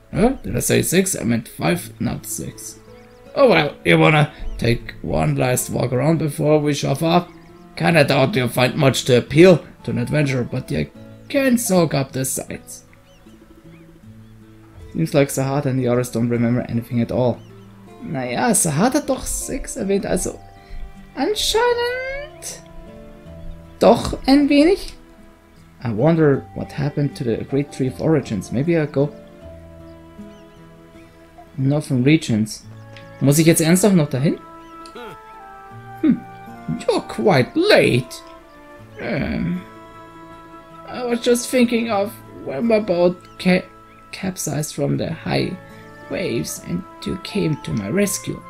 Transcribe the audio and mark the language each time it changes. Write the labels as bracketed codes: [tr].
[en] Huh? Did I say six? I meant five, not six. Oh well, you wanna take one last walk around before we shove off? Kinda doubt you'll find much to appeal to an adventurer, but you can soak up the sights. Seems like Sahad and the others don't remember anything at all. [de] Naja, Sahad hat doch six erwähnt, also anscheinend doch ein wenig. [en] I wonder what happened to the Great Tree of Origins. Maybe I'll go... [de] Northern Regions. Muss ich jetzt ernsthaft noch dahin? [en] You're quite late. I was just thinking of when my boat capsized from the high waves and you came to my rescue.